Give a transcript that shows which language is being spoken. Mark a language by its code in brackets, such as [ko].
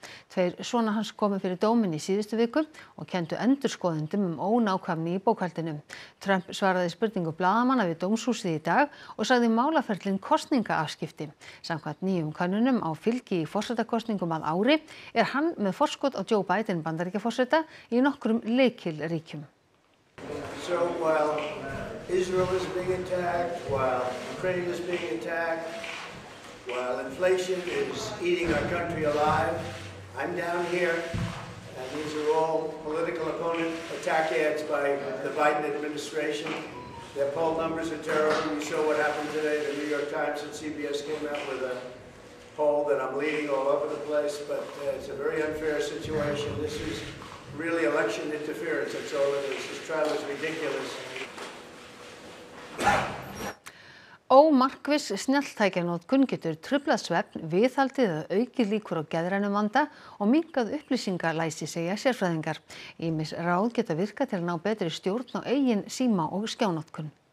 [is] Tveir svona hans komu fyrir dóminn í síðustu viku og kenndu endurskoðendum ónákvæmni í bókhaldinu. Trump svaraði spurningu blaðamanna við dómshúsið í dag og sagði málaferlin kosningaafskipti. Samkvæmt nýjum könnunum á fylgi í forsetakosningum að ári er hann með forskot á Joe Biden bandaríkjaforseta í nokkrum leikilríkjum. [en] So while Israel is being attacked, while Ukraine is being attacked, while inflation is eating our country alive, I'm down here, and these are all political opponent attack ads by the Biden administration. Their poll numbers are terrible. You saw what happened today. The New York Times and CBS came out with a poll that I'm leading all over the place, but it's a very unfair situation. This is really election interference. That's all it is. This trial is ridiculous. [is] Ómarkviss snjalltækjanotkun getur truflað svefn, viðhaldið að aukið líkur á geðrænum vanda og minnkað upplýsingalæsi segja sérfræðingar. Ýmis ráð geta virka til að ná betri stjórn á eigin síma og skjánotkun.